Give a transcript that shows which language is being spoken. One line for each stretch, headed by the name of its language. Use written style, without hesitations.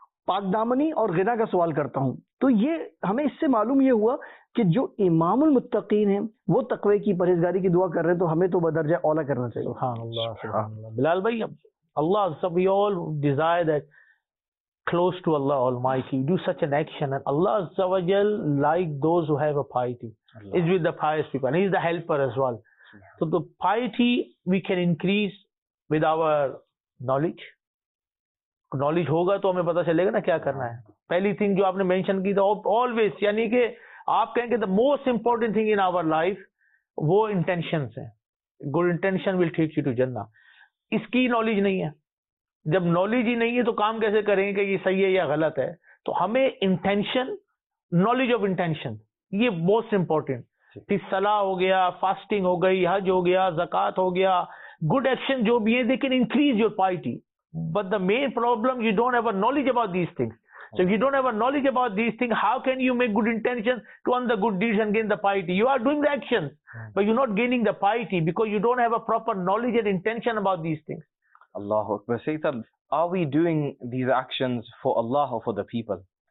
Urdu: پاک دامنی اور غنا کا سوال کرتا ہوں. تو یہ ہمیں اس سے معلوم یہ ہوا کہ جو امام المتقین ہیں وہ تقوی کی پرہیزگاری کی دعا کر رہے ہیں, تو ہمیں تو بدرجہ اولا کرنا چاہیے.
English: سبحان اللہ, سبحان اللہ.
Urdu: بلال بھائی, اللہ سب,
English: We all desire that close to اللہ almighty do such an action, and اللہ عز و جل like those who have a piety is with the pious people and is the helper as well. So the piety we can increase with our knowledge.
Urdu: Knowledge ہوگا تو ہمیں پتا چلے گا نا کیا کرنا ہے. پہلی تھنگ جو آپ نے مینشن کی تھا آلویز, یعنی کہ آپ کہیں کہ
English: the most important thing in our life
Urdu: وہ انٹینشنز ہیں.
English: Good intention will take you to جنہ.
Urdu: اس کی نالج نہیں ہے. جب نالج ہی نہیں ہے تو کام کیسے کریں گے کہ یہ صحیح ہے یا غلط ہے. تو ہمیں انٹینشن,
English: knowledge of intention,
Urdu: یہ موسٹ امپورٹنٹ. پھر صلاح ہو گیا, فاسٹنگ ہو گئی, حج ہو گیا, زکوٰۃ ہو گیا, گڈ ایکشن جو بھی ہے,
English: They can increase your piety. But the main problem, you don't have a knowledge about these things. So if you don't have a knowledge about these things, how can you make good intentions to earn the good deeds and gain the piety? You are doing the actions, but you're not gaining the piety because you don't have a proper knowledge and intention about these things.
Arabic: Allahu Akbar.
English: Sayyidah, are we doing these actions for Allah or for the people?